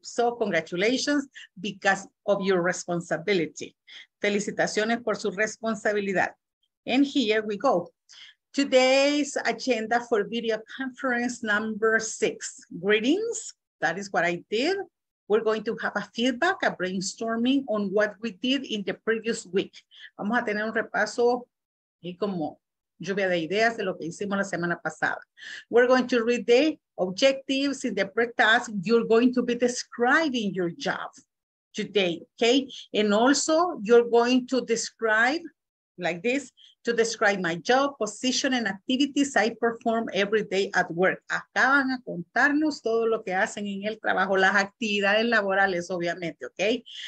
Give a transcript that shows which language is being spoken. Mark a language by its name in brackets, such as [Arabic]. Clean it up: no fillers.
[English] So congratulations because of your responsibility. [Spanish] Felicitaciones por su responsabilidad. [English] And here we go. Today's agenda for video conference number 6, greetings. That is what I did. We're going to have a feedback, a brainstorming on what we did in the previous week. [Spanish] Vamos a tener un repaso y como lluvia de ideas de lo que hicimos la semana pasada. [English] We're going to read the objectives in the pre-task. You're going to be describing your job today, okay? And also you're going to describe like this, to describe my job, position, and activities I perform every day at work. [Spanish] Acaban a contarnos todo lo que hacen en el trabajo, las actividades laborales, obviamente, okay?